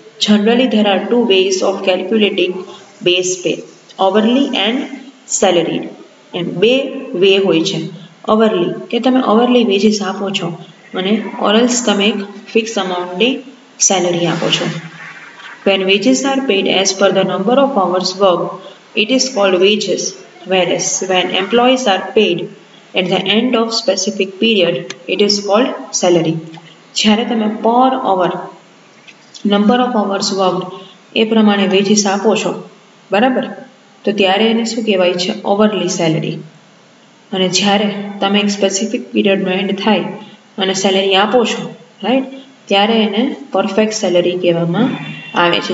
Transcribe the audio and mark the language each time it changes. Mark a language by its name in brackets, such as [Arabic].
[English] Generally there are two ways of calculating base pay, hourly and salary. [Gujarati] એમ બે way હોય છે. અવરલી, કે તમે અવરલી વેજીસ આપો છો, અને ઓરલ્સ તમે એક ફિક્સ અમાઉન્ટની સેલરી આપો છો. [English] When wages are paid as per the number of hours worked, it is called wages, whereas when employees are paid at the end of specific period, it is called salary. [Gujarati] જ્યારે તમે પર અવર number of hours work એ પ્રમાણે veggies આપો છો બરાબર, તો ત્યારે એને શું કહેવાય છે, અવરલી સેલરી. અને જ્યારે તમે એક સ્પેસિફિક પીરિયડનો એન્ડ થાય અને સેલરી આપો છો, રાઈટ, ત્યારે એને પરફેક્ટ સેલરી કહેવામાં આવે છે.